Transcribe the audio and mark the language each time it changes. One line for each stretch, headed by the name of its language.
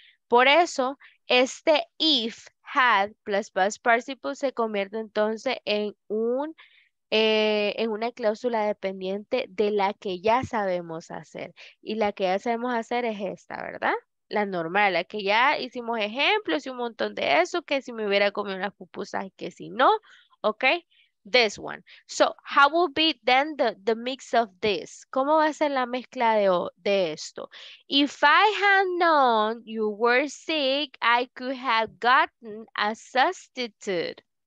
Spanish: Por eso, este if, had, plus past participle se convierte entonces en una cláusula dependiente de la que ya sabemos hacer. Y la que ya sabemos hacer es esta, ¿verdad? La normal, la que ya hicimos ejemplos y un montón de eso, que si me hubiera comido unas pupusas y que si no, ¿ok?
English: this one. So how will be then the mix of this?
Spanish: ¿Cómo va a ser la mezcla de esto?
English: If I had known you were sick, I could have gotten a substitute.